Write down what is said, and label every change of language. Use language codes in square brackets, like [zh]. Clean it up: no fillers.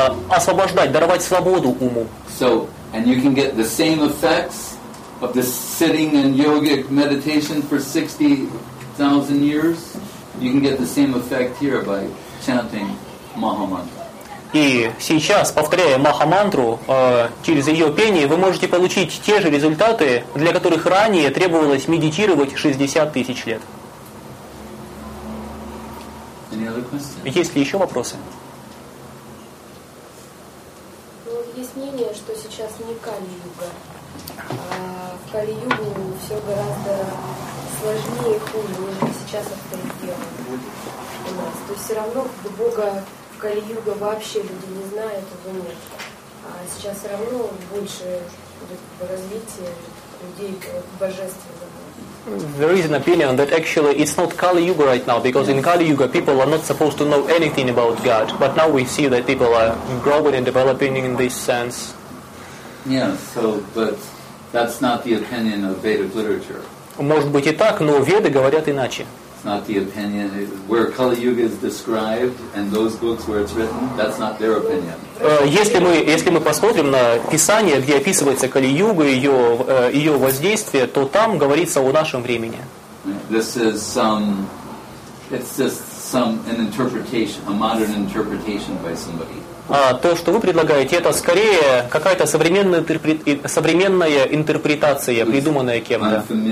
[ru] освобождать, даровать свободу уму. [en] So, and you can get the same effects of this sitting in yogic meditation for 60,000 years, you can get the same effect here by chanting Maha Mantra. [ru] И сейчас, повторяя Маха Мантру, через ее пение, вы можете получить те же результаты, для которых ранее требовалось медитировать 60 тысяч лет. [en] Any other questions? [ru] Есть ли еще вопросы? Есть мнение, что сейчас не Кали-юга. В Кали-югу все гораздо сложнее и хуже, уже сейчас авторитет у нас. То есть все равно Бога в Кали-юга вообще люди не знают, его нет. А сейчас все равно больше развития людей к божественному. [en] There is an opinion that actually it's not Kali-yuga right now, because in Kali-yuga people are not supposed to know anything about God. But now we see that people are growing and developing in this sense. Yeah, so, but that's not the opinion of Vedic literature. [ru] Может быть и так, но Веды говорят иначе. [en] It's not the opinion. Where Kali Yuga is described and those books where it's written, that's not their opinion. [ru] Если мы посмотрим на Писание, где описывается Кали-Юга, ее воздействие, то там говорится о нашем времени. [en] This is some, it's just some, an interpretation, a modern interpretation by somebody. [ru] А то, что вы предлагаете, это скорее какая-то современная интерпретация, придуманная кем-то.